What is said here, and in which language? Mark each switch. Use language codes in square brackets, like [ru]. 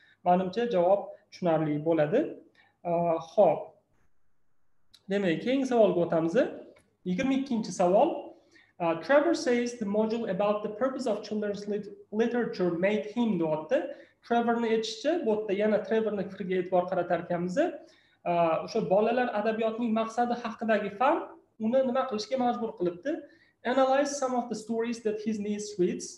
[uz] Menimcha javob tushunarli bo'ladi. Xo'p. Demak, keyingi savolga o'tamiz. 22-chi savol. [en] Trevor says the module about the purpose of children's literature made him doubtful. [uz] Trevorni aytishcha, bu yerda yana Trevorning fikriga e'tibor qaratar ekanmiz. O'sha bolalar adabiyotining maqsadi haqidagi fan uni nima qilishga majbur qilibdi? [en] Analyze some of the stories that his niece reads.